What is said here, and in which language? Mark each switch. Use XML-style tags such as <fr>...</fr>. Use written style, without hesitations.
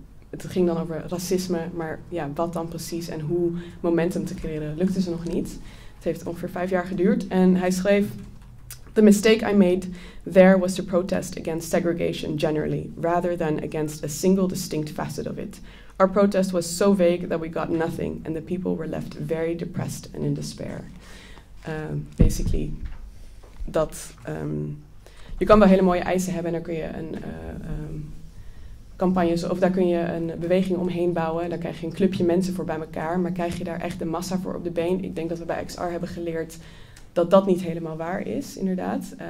<nl>Het ging dan over racisme, maar ja, wat dan precies en hoe momentum te creëren, lukte ze nog niet. Het heeft ongeveer 5 jaar geduurd. En hij schreef,</nl> <en>the mistake I made there was to protest against segregation generally, rather than against a single distinct facet of it. Our protest was so vague that we got nothing, and the people were left very depressed and in despair. Basically,</en> <nl>dat je kan wel hele mooie eisen hebben en daar kun je een campagnes, of daar kun je een beweging omheen bouwen. Daar krijg je een clubje mensen voor bij elkaar. Maar krijg je daar echt de massa voor op de been? Ik denk dat we bij XR hebben geleerd dat dat niet helemaal waar is, inderdaad.</nl>